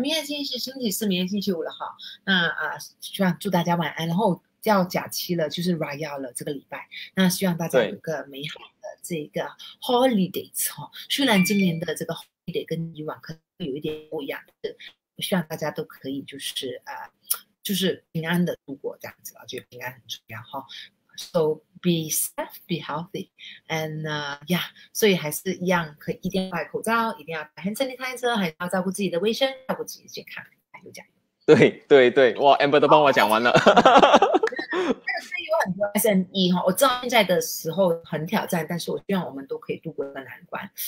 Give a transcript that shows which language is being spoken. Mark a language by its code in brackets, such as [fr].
[zh] 明天星期四，星期四，明天星期五了哈。那祝大家晚安，然后要假期了，就是 Raya 了这个礼拜，那希望大家有个美好的这个 holidays 哈。虽然今年的这个 holiday 跟以往可能有一点不一样，我希望大家都可以就是平安的度过这样子，我觉得平安很重要哈。 [en] So be safe, be healthy, and yeah. [zh] 所以还是一样，可以一定要戴口罩，一定要戴 hand sanitizer， 还要照顾自己的卫生，照顾自己的健康。加油加油！对对对，哇 ，Amber 都帮我讲完了。这个有很多 SME 哈，我知道现在的时候很挑战，但是我希望我们都可以度过一个难关。